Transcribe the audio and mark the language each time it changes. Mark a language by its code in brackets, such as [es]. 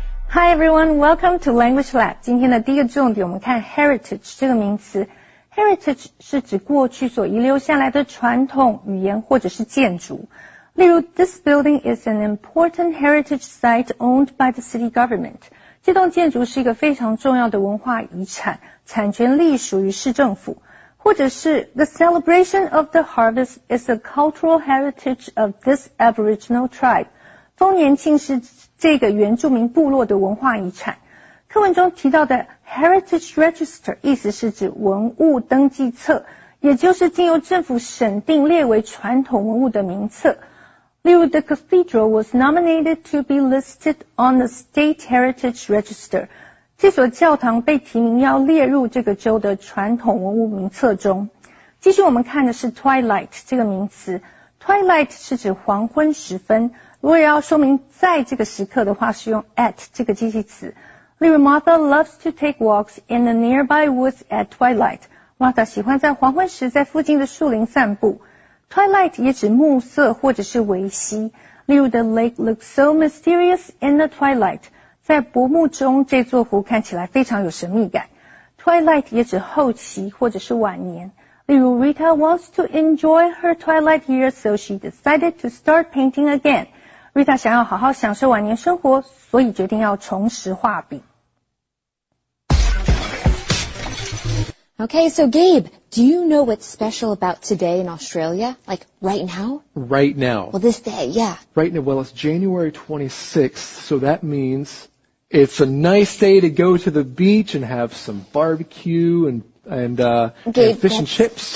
[en] Hi everyone, welcome to Language Lab. [zh] 今天的第一个重点，我们看 heritage 这个名词。 Heritage 是指过去所遗留下来的传统语言或者是建筑。例如 [en] ,this building is an important heritage site owned by the city government. [zh] 这栋建筑是一个非常重要的文化遗产，产权隶属于市政府。或者是 [en] ,the celebration of the harvest is a cultural heritage of this Aboriginal tribe. [zh] 丰年庆是这个原住民部落的文化遗产。课文中提到的 Heritage Register 意思是指文物登记册，也就是经由政府审定列为传统文物的名册。例如 [en] ,the cathedral was nominated to be listed on the State Heritage Register. [zh] 这所教堂被提名要列入这个州的传统文物名册中。继续我们看的是 twilight 这个名词。twilight 是指黄昏时分。如果要说明在这个时刻的话，是用 at 这个机器词。例如 [en] ,Martha loves to take walks in the nearby woods at twilight. [zh] Martha 喜欢在黄昏时在附近的树林散步。Twilight 也指暮色或者是微曦，例如 [en] The lake looks so mysterious in the twilight. [zh] 在薄暮中，这座湖看起来非常有神秘感。 [en] Twilight [zh] 也指后期或者是晚年，例如 [en] Rita wants to enjoy her twilight years, so she decided to start painting again. [zh] Rita 想要好好享受晚年生活，所以决定要重拾画笔。 [en] Okay, so Gabe, do you know what's special about today in Australia? Like, right now? Right now. Well, this day, yeah. Right now, well, it's January 26th, so that means it's a nice day to go to the beach and have some barbecue and fish and chips.